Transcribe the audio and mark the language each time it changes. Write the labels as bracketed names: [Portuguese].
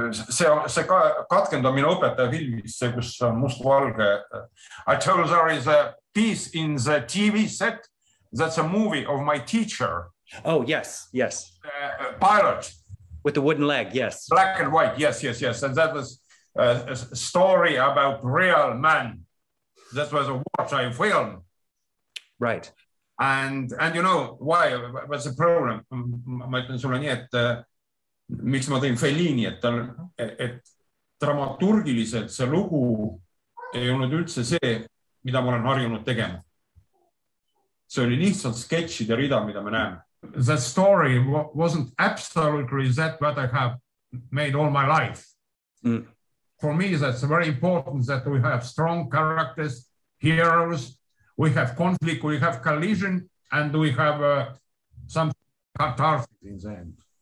[Estonian] See katkend on minu õpetaja filmis, see, kus on must valge. [English] I told her is a piece in the TV set that's a movie of my teacher. Oh, yes. Pilot. With the wooden leg, yes. Black and white, yes. And that was a story about real man. That was a wartime film. Right. And you know, why? What's the problem? [Estonian] Ma ütlen sulle nii, et... Miks ma tõin Fellini, et dramaturgiliselt see lugu ei olnud üldse see, mida ma olen harjunud tegema. See oli lihtsalt sketchide rida, mida me näeme. [English] The story wasn't absolutely that what I have made all my life. Mm. For me, that's very important that we have strong characters, heroes, we have conflict, we have collision, and we have some catharsis in the end.